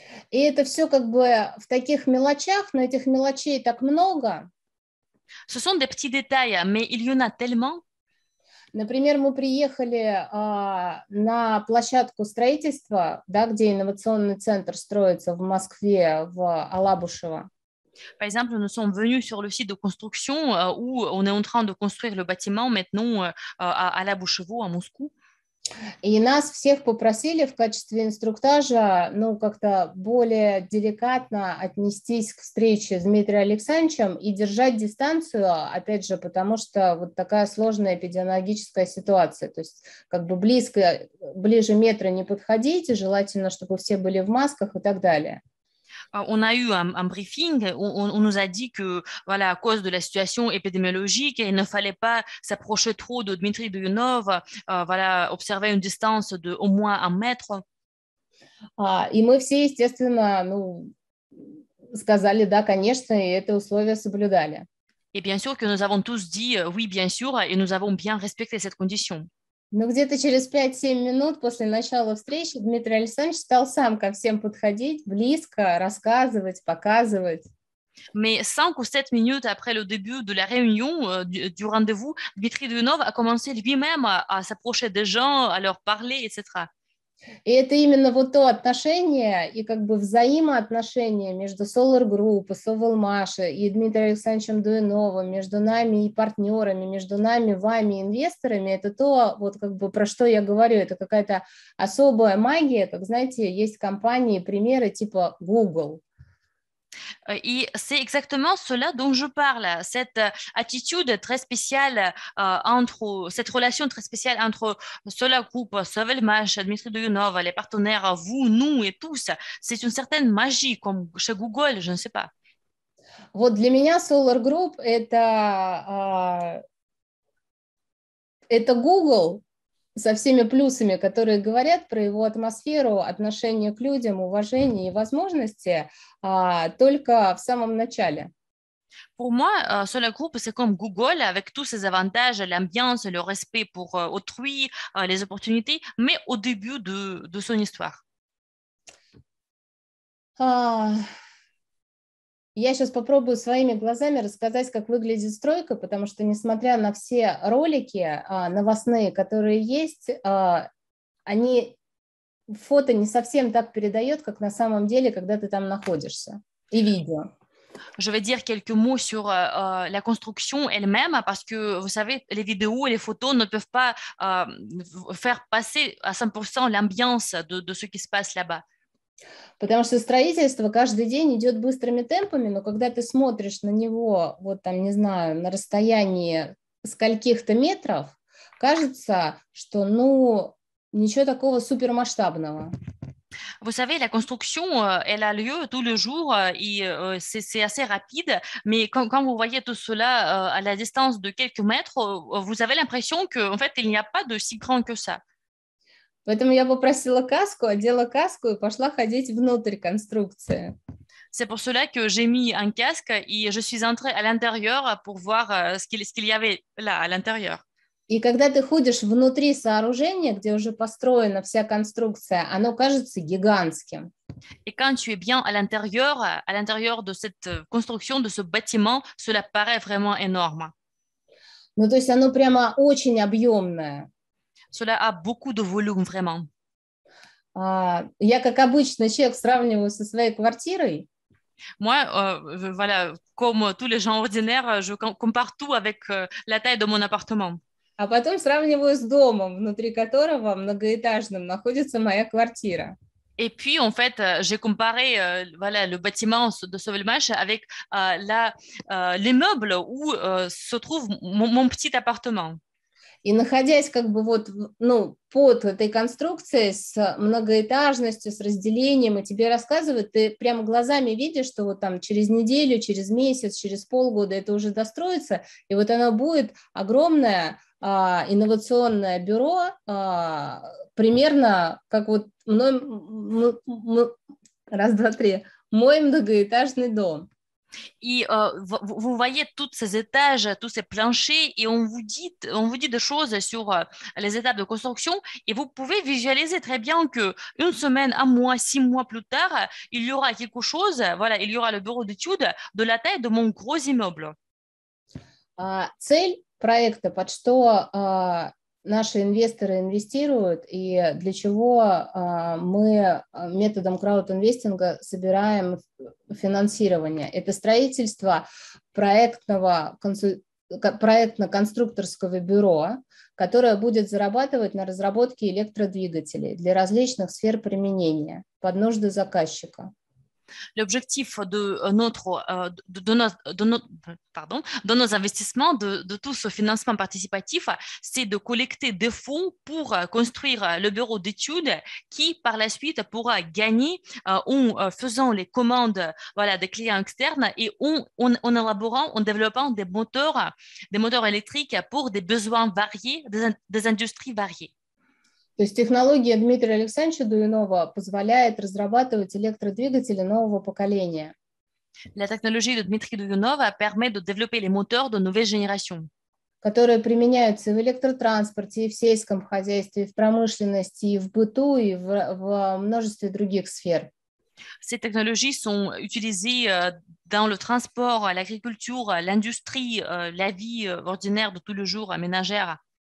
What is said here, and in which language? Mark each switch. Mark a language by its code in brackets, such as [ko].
[ru] И это все как бы в таких мелочах, но этих мелочей так много. [fr] Ce sont des petits détails, mais il y en a tellement. [ru] Например, мы приехали на площадку строительства, да, где инновационный центр строится в Москве, в Алабушево. [fr] Par exemple, nous sommes venus sur le site de construction où on est en train de construire le bâtiment maintenant à Алабушево, à Moscou. [ru] И нас всех попросили в качестве инструктажа, ну, как-то более деликатно отнестись к встрече с Дмитрием Александровичем и держать дистанцию, опять же, потому что вот такая сложная эпидемиологическая ситуация, то есть как бы близко, ближе метра не подходить, желательно, чтобы все были в масках и так далее. [fr] On a eu un briefing où on nous a dit que, voilà, à cause de la situation épidémiologique, il ne fallait pas s'approcher trop de Dmitri Buyunov, voilà, observer une distance de au moins un mètre. [ru] И мы все, естественно, ну, сказали, да, конечно, и это условие соблюдали. [fr] И, bien sûr, que nous avons tous dit, oui, bien sûr, et nous avons bien respecté cette condition. [ru] Но где-то через 5-7 минут после начала встречи Дмитрий Александрович стал сам ко всем подходить, близко, рассказывать, показывать. [fr] Mais 5 ou 7 minutes après le début de la réunion, du rendez-vous, Дмитрий Дуйнов a commencé lui-même à s'approcher des gens, à leur parler, etc. [ru] И это именно вот то отношение и как бы взаимоотношение между Solar Group, Soval Masha и Дмитрием Александровичем Дуйновым, между нами и партнерами, между нами, вами, инвесторами, это то, вот как бы про что я говорю, это какая-то особая магия, как знаете, есть компании, примеры типа Google. [fr] Et c'est exactement cela dont je parle, cette attitude très spéciale entre, cette relation très spéciale entre Solar Group, Sovel Mash, Dmitri Dyunov, les partenaires, vous, nous et tous. C'est une certaine magie, comme chez Google, je ne sais pas. [ru] Вот для меня Solar Group, это Google со всеми плюсами, которые говорят про его атмосферу, отношение к людям, уважение и возможности, только в самом начале. [fr] Pour moi, Solar Group, c'est comme Google, avec tous ses avantages, l'ambiance, le respect pour autrui, les opportunités, mais au début de son histoire. [ru] Я сейчас попробую своими глазами рассказать, как выглядит стройка, потому что, несмотря на все ролики новостные, которые есть, они фото не совсем так передают, как на самом деле, когда ты там находишься, и видео. [fr] Je vais dire quelques mots sur la construction elle-même, parce que, vous savez, les vidéos et les photos ne peuvent pas faire passer à 100% l'ambiance de ce qui se passe là-bas. [ru] Потому что строительство каждый день идет быстрыми темпами, но когда ты смотришь на него, вот там, не знаю, на расстоянии скольких-то метров, кажется, что, ну, ничего такого супермасштабного. [fr] Vous savez, la construction, elle a lieu tous les jours et c'est assez rapide, mais quand vous voyez tout cela à la distance de quelques mètres, vous avez l'impression qu'en fait, il n'y a pas de si grand que ça. [ru] Поэтому я попросила каску, одела каску и пошла ходить внутрь конструкции. [fr] C'est pour cela que j'ai mis un casque et je suis entrée à l'intérieur pour voir ce qu'il y avait là à l'intérieur. [ru] И когда ты ходишь внутри сооружения, где уже построена вся конструкция, оно кажется гигантским. [fr] Et quand tu es bien à l'intérieur de cette construction, de ce bâtiment, cela paraît vraiment énorme. [ru] Ну то есть оно прямо очень объемное. [fr] Cela a beaucoup de volume, vraiment. [ru] Я, как обычно, человек сравниваю со своей квартирой. [fr] Moi, voilà, comme tous les gens ordinaires, je compare tout avec la taille de mon appartement. [ru] А потом сравниваю с домом, внутри которого многоэтажным находится моя квартира. [fr] Et puis, en fait, j'ai comparé voilà, le bâtiment de Sovel Mash avec l'immeuble où se trouve mon petit appartement. [ru] И находясь как бы вот, ну, под этой конструкцией с многоэтажностью, с разделением, и тебе рассказывают, ты прямо глазами видишь, что вот там через неделю, через месяц, через полгода это уже достроится, и вот оно будет огромное инновационное бюро, примерно как вот мой многоэтажный дом. [fr] Et vous voyez tous ces étages, tous ces planchers, et on vous dit des choses sur les étapes de construction, et vous pouvez visualiser très bien qu'une semaine, un mois, six mois plus tard, il y aura quelque chose, voilà, il y aura le bureau d'études de la taille de mon gros immeuble. [ru] Цель проекта, под что наши инвесторы инвестируют, и для чего мы методом краудинвестинга собираем финансирование. Это строительство проектно-конструкторского бюро, которое будет зарабатывать на разработке электродвигателей для различных сфер применения под нужды заказчика. [fr] l'objectif de notre de nos investissements de tout ce financement participatif, c'est de collecter des fonds pour construire le bureau d'études qui par la suite pourra gagner en faisant les commandes voilà des clients externes et en élaborant en développant des moteurs électriques pour des besoins variés des industries variées. [ru] То есть технология Дмитрия Александровича Дуйнова позволяет разрабатывать электродвигатели нового поколения. [fr] La technologie de Dmitri Dounova permet de développer les moteurs de nouvelle génération. [ru] Которые применяются в электротранспорте, и в сельском хозяйстве, и в промышленности, и в быту, и в множестве других сфер. [fr] Ces technologies sont utilisées dans le transport, l'agriculture, l'industrie, la vie ordinaire de tous les jours, ménagère.